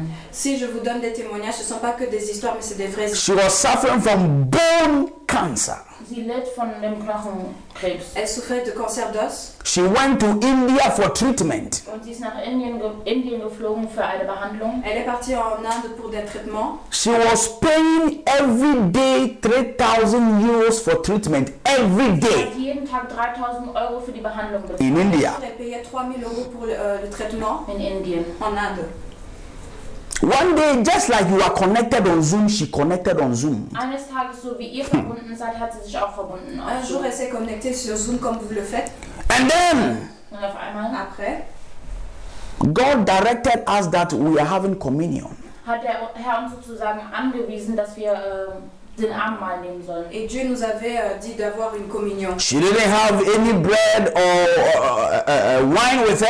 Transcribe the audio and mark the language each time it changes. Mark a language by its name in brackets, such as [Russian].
[French] si je vous donne des témoignages, ce sont pas que des histoires, mais c'est des vraies. [English] She was suffering from bone cancer. [German] Sie led von dem Knochenkrebs. [French] Elle souffrait de cancer d'os. [English] She went to India for treatment. [German] Und sie ist nach Indien geflogen für eine Behandlung. [French] Elle est partie en Inde pour des traitements. [English] She was paying every day 3,000 euros for treatment every day. [German] Sie hat jeden Tag 3,000 Euro für die Behandlung bezahlt. [English] In India. [French] Elle payait 3,000 euros pour le traitement. [German] In Indien. [French] En Inde. [English] One day, just like you are connected on Zoom, she connected on Zoom. [German] Eines Tages, so wie ihr verbunden seid, hat sie sich auch verbunden. [French] Un jour, elle s'est connectée sur Zoom comme vous le faites. [English] And then, [German] und auf einmal, [French] après, [English] God directed us that we are having communion. [German] Hat der Herr uns sozusagen angewiesen, dass wir den Abendmahl nehmen sollen. [French] Et Dieu nous avait dit d'avoir une communion. [English] She didn't have any bread or wine with her.